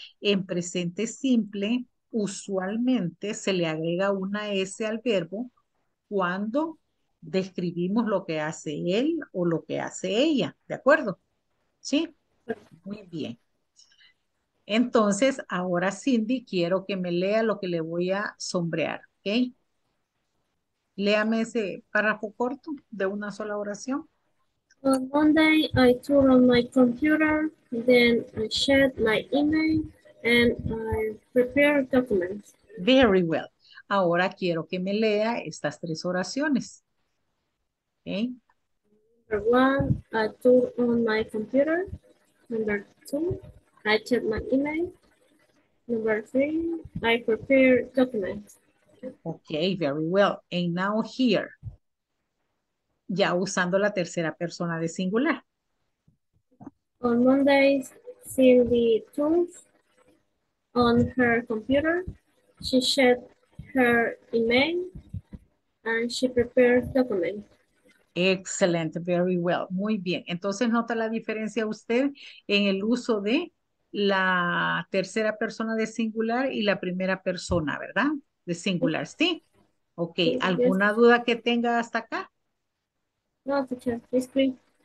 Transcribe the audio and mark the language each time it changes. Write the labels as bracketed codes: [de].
[es] En presente simple, usualmente se le agrega una S al verbo cuando describimos lo que hace él o lo que hace ella. ¿De acuerdo? ¿Sí? Muy bien. Entonces, ahora Cindy, quiero que me lea lo que le voy a sombrear. ¿Ok? Léame ese párrafo corto de una sola oración. [en] On Monday, I turned on my computer, then I shared my email, and I prepared documents. Very well. [es] Ahora quiero que me lea estas tres oraciones. [en] Okay. Number one, I turned on my computer. Number two, I checked my email. Number three, I prepared documents. Okay, very well. And now here. [es] Ya usando la tercera persona de singular. [en] On Mondays, Cindy turns on her computer. She shared her email and she prepared documents. Excellent, very well. [es] Muy bien. Entonces, ¿nota la diferencia usted en el uso de la tercera persona de singular y la primera persona, verdad? De singular, ¿sí? Ok, ¿alguna duda que tenga hasta acá? [en] No, teacher, please, please.